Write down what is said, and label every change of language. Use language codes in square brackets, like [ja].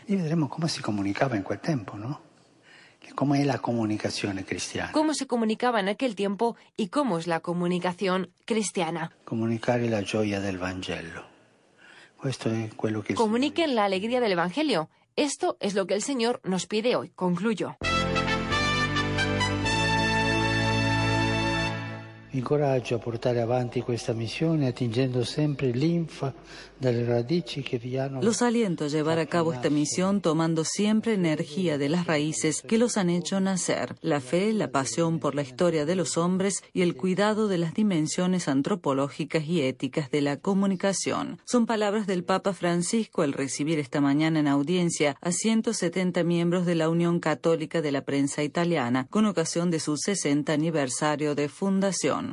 [es] Y veremos cómo se comunicaba en aquel tiempo, ¿no? ¿Cómo es la comunicación cristiana? ¿Cómo se comunicaba en aquel tiempo y cómo es la comunicación cristiana? Comunicar la joya del Evangelio. Esto es lo que... Comuniquen la alegría del Evangelio. Esto es lo que el Señor nos pide hoy. Concluyo. [it] Incoraggio a portare avanti questa missione attingendo sempre l'infa dalle radici che vi hanno... [es] Los aliento a llevar a cabo esta misión tomando siempre energía de las raíces que los han hecho nacer. La fe, la pasión por la historia de los hombres y el cuidado de las dimensiones antropológicas y éticas de la comunicación. Son palabras del Papa Francisco al recibir esta mañana en audiencia a 170 miembros de la Unión Católica de la Prensa Italiana con ocasión de su 60 aniversario de fundación.